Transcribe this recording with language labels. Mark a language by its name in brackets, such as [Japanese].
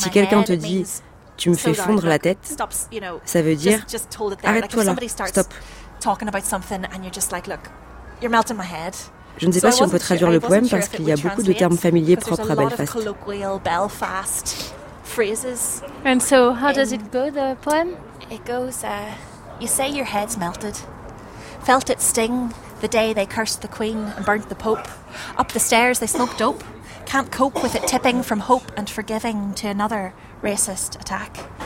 [French] et si quelqu'un te dit tu me fais fondre la tête, ça veut dire arrête-toi là, stop. [English] Talking about something and you're just like look, you're melting my head. [French] Je ne sais pas si on peut traduire le poème parce qu'il y a beaucoup de termes familiers propres à Belfast. [English] And so, how does it go, the poem? It goes, you say your head's melted. Felt it sting the day they cursed the queen and burnt the pope. Up the stairs they smoked dope. Can't cope with it tipping from hope and forgiving to another racist attack.